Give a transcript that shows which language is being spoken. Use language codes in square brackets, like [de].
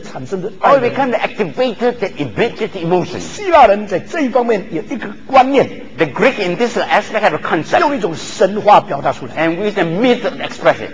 [en] Or we become the activator that emits the emotion [zh] 希腊人在这一方面有一个观念 [en] The Greek in this aspect have a concept [zh] 用一种神话表达出来 [en] And with a myth of expression